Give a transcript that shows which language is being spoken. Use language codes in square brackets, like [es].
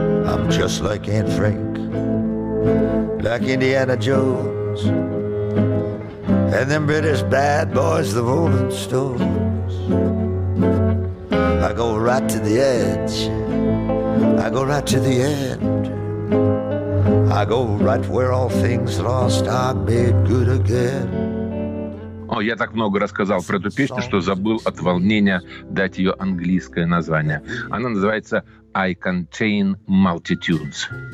[en] I'm just like Anne Frank, like Indiana Jones, and them British bad boys, the Rolling Stones. I go right to the edge, I go right to the end. I go right where all things lost are made good again. [ru] Я так много рассказал про эту песню, что забыл от волнения дать ее английское название. Она называется «I Contain Multitudes».